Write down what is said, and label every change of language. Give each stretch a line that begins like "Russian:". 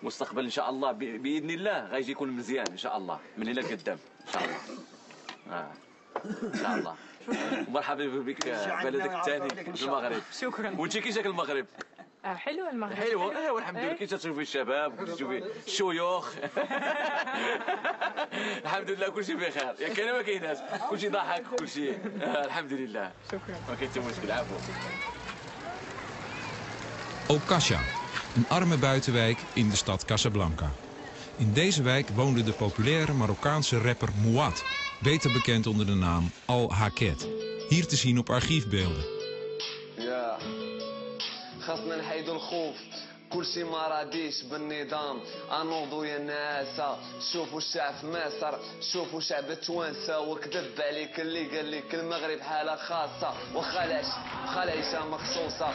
Arabic: مستقبل ان شاء الله باذن الله غيجي يكون مزيان ان شاء الله من هنا لقدام ان شاء الله ان شاء الله مرحبا بك بلدك الثاني في المغرب شكرا وانت كيشك المغرب حلو المغرب حلو والحمد لله كي تشوفي الشباب وتشوفي الشيوخ الحمد لله كل شيء بخير يا كلمه كايناش كل شيء ضحك كل شيء الحمد لله شكرا ما كنتي مشكل عفوا
Dutch: أوكاشا een arme buitenwijk in de stad Casablanca. In deze wijk woonde de populaire Marokkaanse rapper Mouad, beter bekend onder de naam Al Haket. Hier te zien op archiefbeelden. Ja.
Arabic: خاصنا نحيدو الخوف كلشي مراديش بالنظام انوضو يا ناسا شوفوا الشعب في مصر شوفوا شعب التوانسة وكذب عليك اللي قال لك المغرب حالة خاصة وخلاش خلايسة مخصوصة